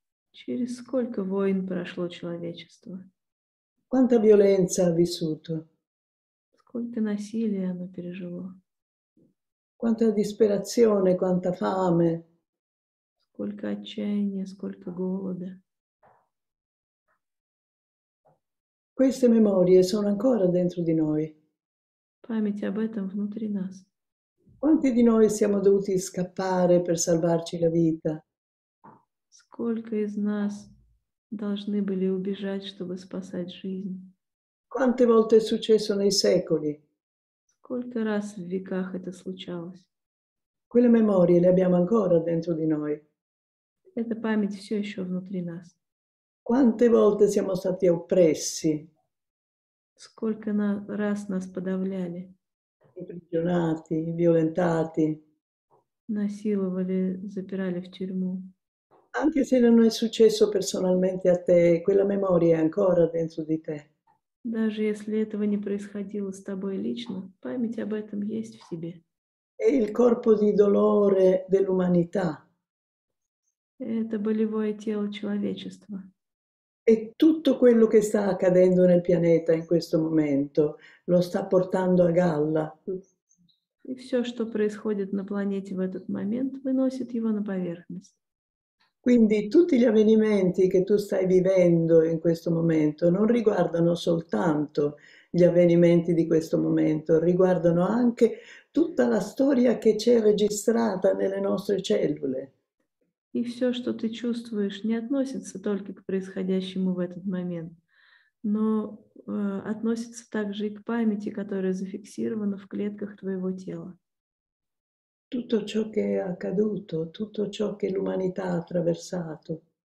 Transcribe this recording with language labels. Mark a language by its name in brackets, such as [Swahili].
[Russian] Через сколько войн прошло человечество? [Italian] Quanta violenza ha vissuto? [Russian] Сколько насилия оно пережило? [Italian] Quanta disperazione, quanta fame. [Russian] Сколько отчаяния, сколько голода. [Italian] Queste memorie sono ancora dentro di noi. [Russian] Память об этом внутри нас. [Italian] Quanti di noi siamo dovuti scappare per salvarci la vita? [Russian] Сколько из нас должны были убежать, чтобы спасать жизнь? [Italian] Quante volte è successo nei secoli? [Russian] Сколько раз в веках это случалось? [Italian] Quelle memorie le abbiamo ancora dentro di noi. [Russian] Эта память все еще внутри нас. [Italian] Quante volte siamo stati oppressi? [Russian] Сколько раз нас подавляли? [Italian] Imprigionati, violentati. [Russian] Насиловали, запирали в тюрьму. [Italian] Anche se non è successo personalmente a te, quella memoria è ancora dentro di te. [Russian] Даже если этого не происходило с тобой лично, память об этом есть в тебе. [Italian] È il corpo di dolore dell'umanità. [Russian] Это болевое тело человечества. [Italian] E tutto quello che sta accadendo nel pianeta in questo momento lo sta portando a galla. [Russian] И все, что происходит на планете в этот момент, выносит его на поверхность. [Italian] Quindi tutti gli avvenimenti che tu stai vivendo in questo momento non riguardano soltanto gli avvenimenti di questo momento, riguardano anche tutta la storia che c'è registrata nelle nostre cellule. [Russian] И все, что ты чувствуешь, не относится только к происходящему в этот момент, но относится также и к памяти, которая зафиксирована в клетках твоего тела. [Italian] Tutto ciò che è accaduto, tutto ciò che l'umanità ha attraversato.